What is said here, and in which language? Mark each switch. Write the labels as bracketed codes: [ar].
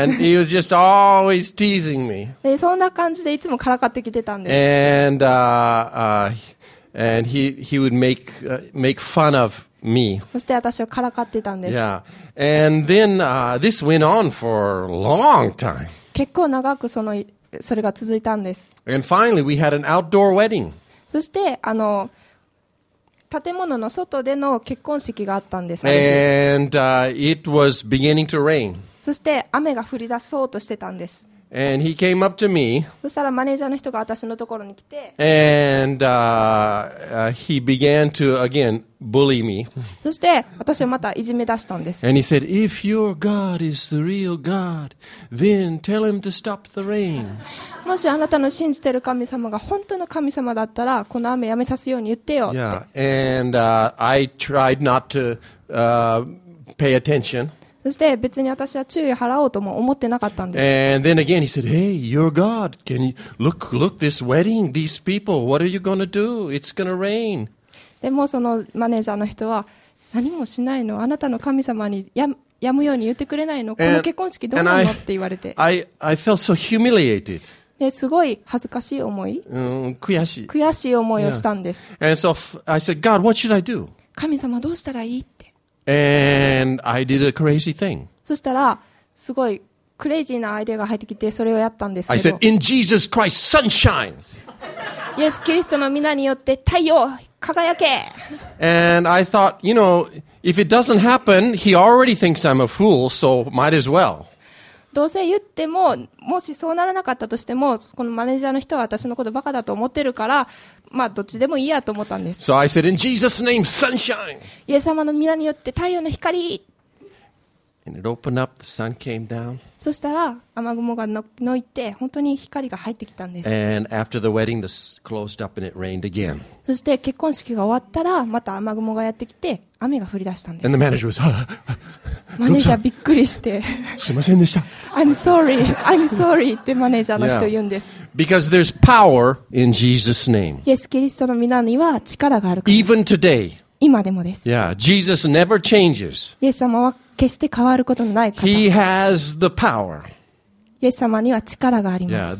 [en] And he was just always teasing me. [ja] でそんな感じでいつもからかってきてたんです。 [en] And, and he would make, make fun of me. [ja] そして私をからかってたんです。 [en] Yeah. And then, this went on for a long time. [ja] 結構長くそのそれが続いたんです。 [en] And finally, we had an outdoor wedding. [ja] そしてあの建物の外での結婚式があったんです。 [en] And, it was beginning to rain. [ja] そして雨が降り出そうとしてたんです。 [en] And he came up to me. [ja] そしたらマネージャーの人が私のところに来て。 [en] And, he began to again bully me. [ja] そして私をまたいじめ出したんです。 [en] And he said, "If your God is the real God, then tell him to stop the rain." [ja] もしあなたの信じてる神様が本当の神様だったら、この雨やめさせように言ってよって。 [en] Yeah. And, I tried not to, pay attention. [ja] そして別に私は注意払おうとも思ってなかったんです。 [en] And then again he said, "Hey, your God, can you look, look this wedding, these people? What are you gonna do? It's gonna rain." [ja] でもそのマネージャーの人は何もしないの、あなたの神様にやむように言ってくれないの、この結婚式どうなのって言われて。 [en] I felt so humiliated. [ja] ですごい恥ずかしい思い。悔しい。悔しい思いをしたんです。 Yeah. [en] And so I said, "God, what should I do?" [ja] 神様どうしたらいい？ [en] And I did a crazy thing. [ja] そしたらすごいクレイジーなアイデアが入ってきてそれをやったんですけど。 [en] I said, "In Jesus Christ, sunshine." [ja] イエス・キリストの名によって太陽輝け。 [en] And I thought, you know, if it doesn't happen, he already thinks I'm a fool, so might as well. [ja] どうせ言ってももしそうならなかったとしてもこのマネージャーの人は私のことバカだと思ってるから。まあどっちでもいいやと思ったんです。 [en] So I said, "In Jesus' name, sunshine!" [ja] イエス様の名によって太陽の光。 [en] And it opened up, the sun came down. [ja] そしたら雨雲がのいて本当に光が入ってきたんです。 [en] And after the wedding, the closed up and it rained again. [ja] そして結婚式が終わったらまた雨雲がやってきて雨が降り出したんです。 [en] And the manager was, [ja] マネージャーびっくりして。すいませんでした。 [en] I'm sorry, I'm sorry [ja] ってマネージャーの人言うんです。 [en] Yeah. Because there's power in Jesus' name. [ja] イエス・キリストの名には力があるから [en] 。 Even today. [ja] 今でもです。 [en] Yeah, Jesus never changes. [ja] イエス様は決して変わることのない方。 [en] He has the power. [ja] イエス様には力があります。